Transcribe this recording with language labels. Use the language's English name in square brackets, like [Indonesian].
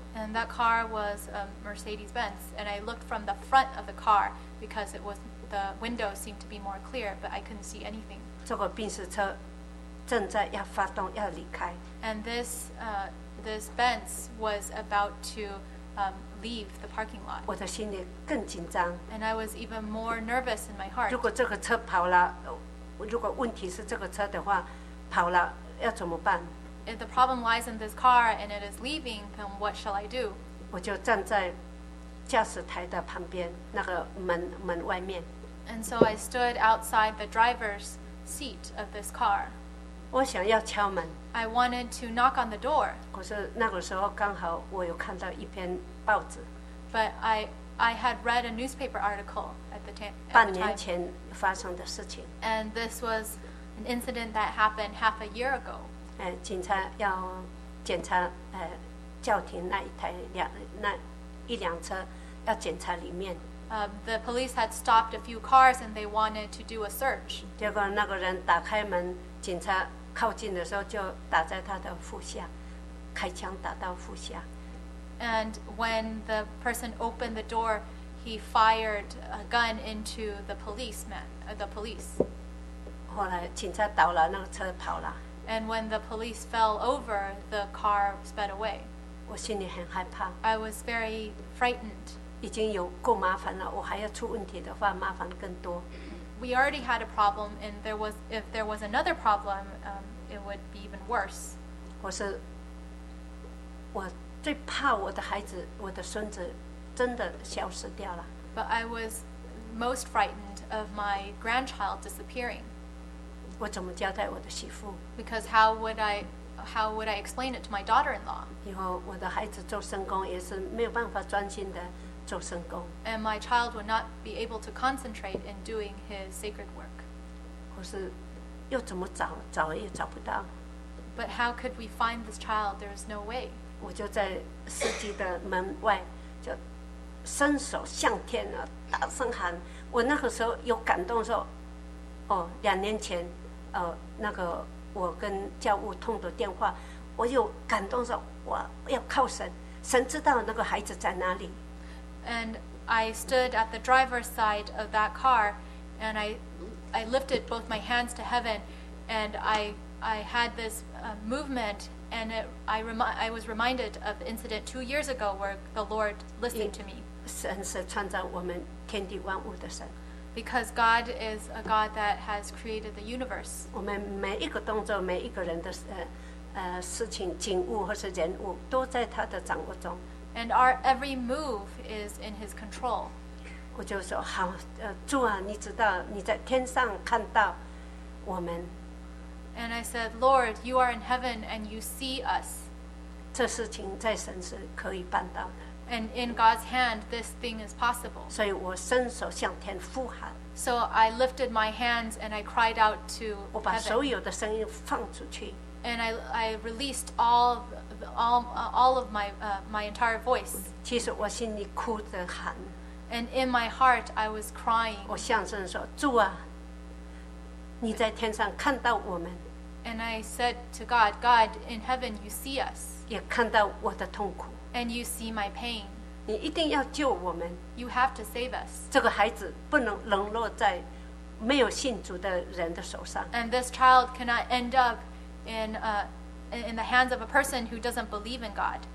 [English] And that car was a Mercedes-Benz, and I looked from the front of the car because it was the window seemed to be more clear, but I couldn't see anything. [Chinese] 这个宾士车。正在要发动要离开。 [English] And this Benz was about to leave the parking lot. [Chinese] 我的心里更紧张。 [English] And I was even more nervous in my heart. [Chinese] 如果这个车跑了，如果问题是这个车的话，跑了要怎么办？ [English] If the problem lies in this car and it is leaving, then what shall I do? [Chinese] 我就站在驾驶台的旁边那个 门外面。 [English] And so I stood outside the driver's seat of this car. [Chinese] 我想要敲门。 [English] I wanted to knock on the door. [Chinese] 可是那个时候刚好我有看到一篇报纸。 [English] But I had read a newspaper article at the time. [Chinese] 半年前发生的事情。 [English] And this was an incident that happened half a year ago. [Chinese] 警察要检查叫停那一台两那一辆车要检查里面。 [English] The police had stopped a few cars and they wanted to do a search. [Chinese] 结果那个人打开门，警察靠近的时候就打在他的腹下，开枪打到腹下。 [English] And when the person opened the door, he fired a gun into the policeman, the police. [Chinese] 后来警察倒了，那个车跑了。 [English] And when the police fell over, the car sped away. [Chinese] 我心里很害怕。 [English] I was very frightened. [Chinese] 已经有够麻烦了，我还要出问题的话，麻烦更多。 [English] We already had a problem, and if there was another problem, it would be even worse. [Chinese] 我最怕我的孩子，我的孙子真的消失掉了。 [English] But I was most frightened of my grandchild disappearing. [Chinese] 我怎么交代我的媳妇？ [English] Because how would I explain it to my daughter-in-law? [Chinese] 以后我的孩子做圣工也是没有办法专心的做圣工。 [English] And my child would not be able to concentrate in doing his sacred work. [Chinese] 或是又怎么找，找也找不到。 [English] But how could we find this child? There is no way. [Chinese] 我就在司机的门外，就伸手向天啊，大声喊。我那个时候有感动，说：“哦，两年前，那个我跟教务通的电话，我有感动说，我要靠神，神知道那个孩子在哪里。” [English] And I stood at the driver's side of that car, and I lifted both my hands to heaven, and I had this movement. And I was reminded of the incident 2 years ago where the Lord listened to me. [Chinese] 神是创造我们天地万物的神。 [English] Because God is a God that has created the universe. [Chinese] 我们每一个动作、每一个人的事情、景物或是人物，都在他的掌握中。 [English] And our every move is in His control. [Chinese] 我就说好，主啊，你知道你在天上看到我们。 [English] And I said, Lord, you are in heaven and you see us. [Chinese] 这事情在神是可以办到的。 [English] And in God's hand, this thing is possible. [Chinese] 所以我伸手向天呼喊。 [English] So I lifted my hands and I cried out to heaven. [Chinese] 我把所有的声音放出去。 [English] And I released all of my entire voice. [Chinese] 其实我心里哭着喊。 [English] And in my heart, I was crying. [Chinese] 我向神说，主啊。你在天上看到我们。 [English] And I said to God, God, in heaven, you see us. [Chinese] 也看到我的痛苦。 [English] And you see my pain. [Chinese] 你一定要救我们。 [English] You have to save us. [Chinese] 这个孩子不能沦落在没有信主的人的手上。 [English] And this child cannot end up in the hands of a person who doesn't believe in God.